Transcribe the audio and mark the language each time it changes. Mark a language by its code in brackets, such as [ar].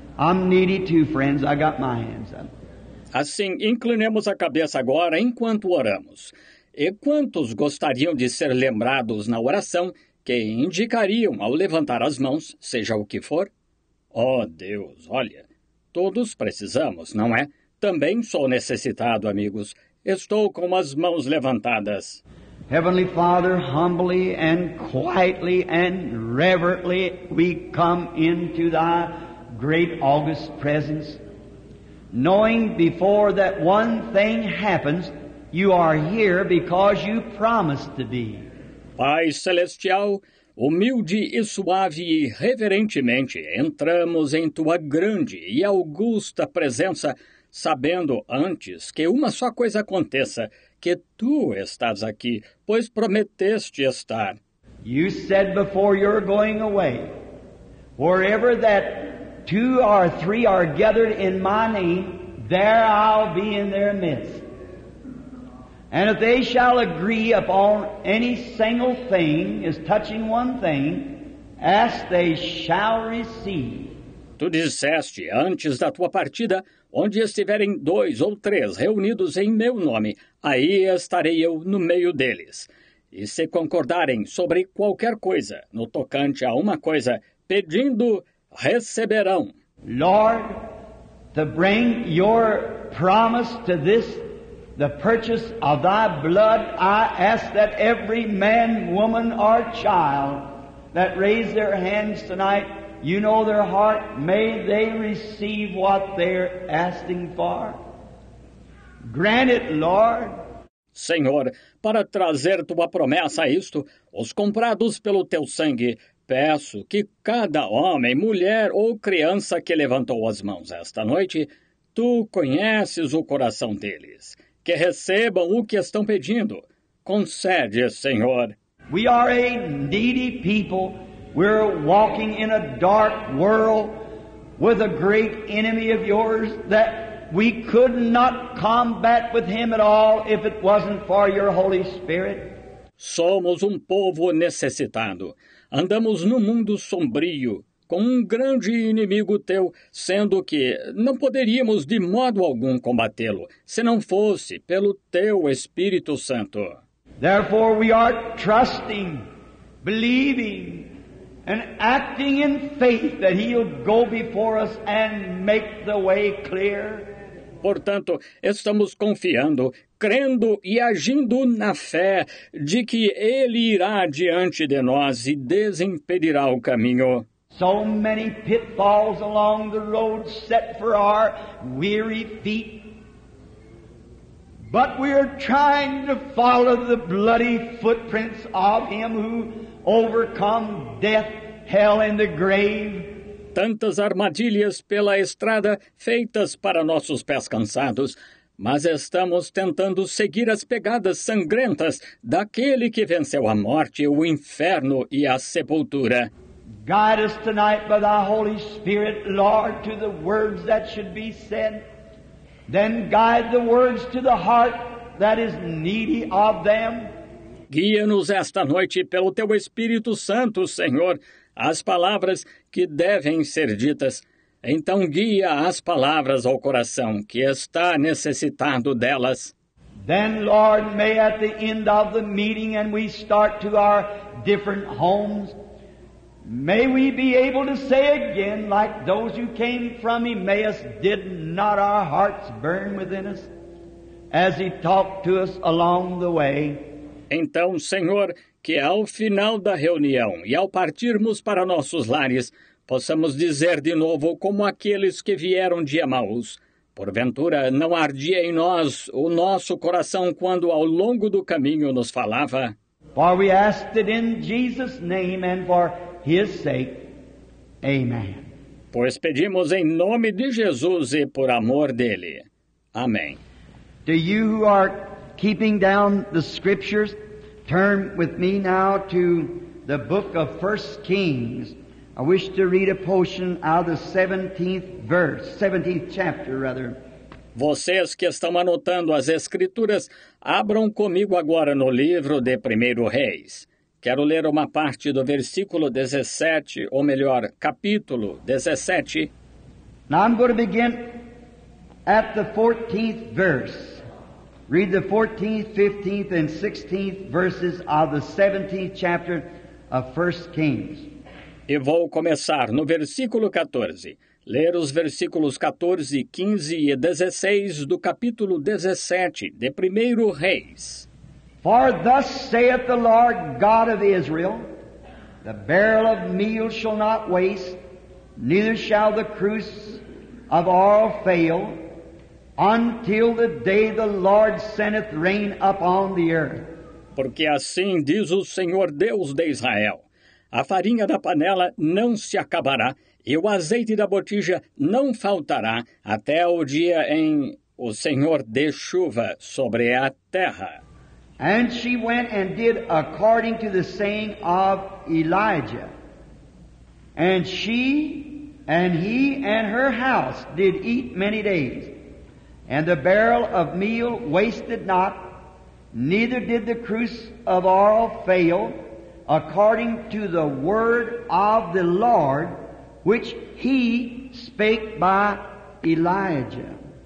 [en] I'm needy too, friends. I got my hands up. [pt] Assim, inclinemos a cabeça agora enquanto oramos. E quantos gostariam de ser lembrados na oração que indicariam ao levantar as mãos, seja o que for? Oh Deus, olha, todos precisamos, não é? Também sou necessitado, amigos. Estou com as mãos levantadas. [en] Heavenly Father, humbly and quietly and reverently we come into thy great august presence, knowing before that one thing happens, you are here because you promised to be. [pt] Pai Celestial, humilde e suave e reverentemente, entramos em tua grande e augusta presença, sabendo antes que uma só coisa aconteça, que tu estás aqui, pois prometeste estar. [en] You said before you're going away, wherever that two or three are gathered in my name, there I'll be in their midst. And if they shall agree upon any single thing, is touching one thing, as they shall receive. [pt] Tu disseste, antes da tua partida, onde estiverem dois ou três reunidos em meu nome, aí estarei eu no meio deles. E se concordarem sobre qualquer coisa, no tocante a uma coisa, pedindo, receberão. [en] Lord, to bring your promise to this, the purchase of thy blood, I ask that every man, woman, or child that raise their hands tonight, you know their heart, may they receive what they're asking for. Grant it, Lord. [pt] Senhor, para trazer tua promessa a isto, os comprados pelo teu sangue, peço que cada homem, mulher ou criança que levantou as mãos esta noite, tu conheces o coração deles, que recebam o que estão pedindo. Concede, Senhor. [en] We are a needy people. We're walking in a dark world with a great enemy of yours that we could not combat with him at all if it wasn't for your Holy Spirit. [pt] Somos povo necessitado. Andamos no mundo sombrio, com grande inimigo teu, sendo que não poderíamos de modo algum combatê-lo, se não fosse pelo teu Espírito Santo. [en] Therefore we are trusting, believing, and acting in faith that he'll go before us and make the way clear. [pt] Portanto, estamos confiando, crendo e agindo na fé de que ele irá diante de nós e desimpedirá o caminho. [en] So many pitfalls along the road set for our weary feet. But we are trying to follow the bloody footprints of him who overcome death, hell and the grave. [pt] Tantas armadilhas pela estrada feitas para nossos pés cansados, mas estamos tentando seguir as pegadas sangrentas daquele que venceu a morte, o inferno e a sepultura. [en] Guide us tonight by thy Holy Spirit, Lord, to the words that should be said. Then guide the words to the heart that is needy of them. [pt] Guia-nos esta noite pelo teu Espírito Santo, Senhor, as palavras que devem ser ditas. Então guia as palavras ao coração que está necessitado delas. [en] Then, Lord, may at the end of the meeting and we start to our different homes, may we be able to say again, like those who came from Emmaus, did not our hearts burn within us as he talked to us along the way? [pt] Então, Senhor, que ao final da reunião e ao partirmos para nossos lares, possamos dizer de novo como aqueles que vieram de Emaús. Porventura, não ardia em nós o nosso coração quando ao longo do caminho nos falava? [en] For we asked it in Jesus' name and for his sake, amen. [pt] Pois pedimos em nome de Jesus e por amor dele. Amém. [en] Do you who are keeping down the scriptures, turn with me now to the book of 1 Kings. I wish to read a portion out of the 17th verse, 17th chapter rather. [pt] Vocês que estão anotando as escrituras, abram comigo agora no livro de 1 Reis. Quero ler uma parte do versículo 17, ou melhor, capítulo 17. [en] Now I'm going to begin at the 14th verse. Read the 14th, 15th, and 16th verses of the 17th chapter of 1 Kings. [pt] E vou começar no versículo 14. Ler os versículos 14, 15 e 16 do capítulo 17 de 1 Reis. [en] For thus saith the Lord God of Israel, the barrel of meal shall not waste, neither shall the cruse of oil fail, until the day the Lord sendeth rain upon the earth. [pt] Porque assim diz o Senhor Deus de Israel, a farinha da panela não se acabará, e o azeite da botija não faltará, até o dia em o Senhor dê chuva sobre a terra. [en] And she went and did according to the saying of Elijah. And she and he and her house did eat many days. And the barrel of meal wasted not, neither did the cruse of oil fail, according to the word of the Lord, which he spake by Elijah.